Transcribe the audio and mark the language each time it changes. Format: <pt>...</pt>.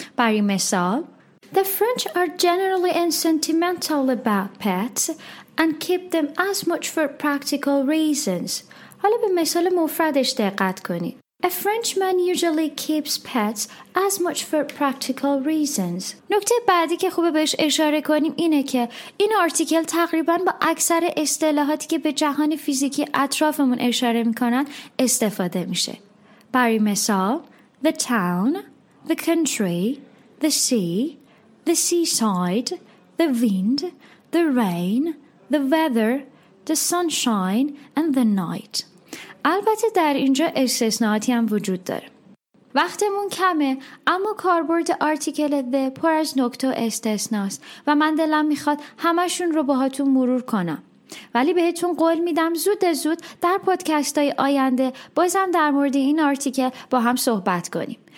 <en>برای مثال The French are generally unsentimental about pets and keep them as much for practical reasons. حالا به مثال مفردش دقت کنید. A Frenchman usually keeps pets as much for practical reasons.</en> <fa>نکته بعدی که خوبه بهش اشاره کنیم اینه که این آرتیکل تقریباً با اکثر اصطلاحاتی که به جهان فیزیکی اطرافمون اشاره می‌کنن استفاده میشه.</fa> <en>برای مثال, the town, the country, the sea, the seaside, the wind, the rain, the weather, the sunshine, and the night.</en> <fa>البته در اینجا استثناءاتی هم وجود داره. وقتمون کمه اما کاربرد آرتیکل the پر از نکته استثناست و من دلم میخواد همشون رو باهاتون مرور کنم. ولی بهتون قول میدم زود زود در پادکست های آینده بازم در مورد این آرتیکل با هم صحبت کنیم.</fa>